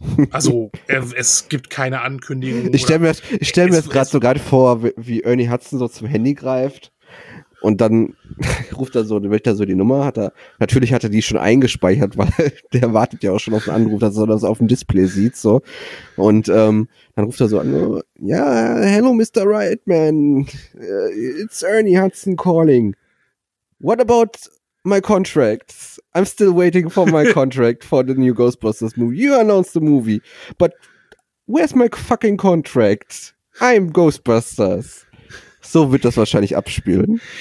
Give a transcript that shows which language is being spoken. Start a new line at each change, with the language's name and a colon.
German: Also, es gibt keine Ankündigung. Ich stell mir gerade so gerade vor, wie Ernie Hudson so zum Handy greift und dann ruft er so, wird er so die Nummer, hat er die schon eingespeichert, weil der wartet ja auch schon auf den Anruf, dass er das auf dem Display sieht, so. Und dann ruft er so an, ja,
English: hello Mr. Reitman, it's Ernie Hudson calling. What about my contract? I'm still waiting for my contract for the new Ghostbusters movie. You announced the movie, but where's my fucking contract? I'm Ghostbusters.
German: So wird das wahrscheinlich abspielen.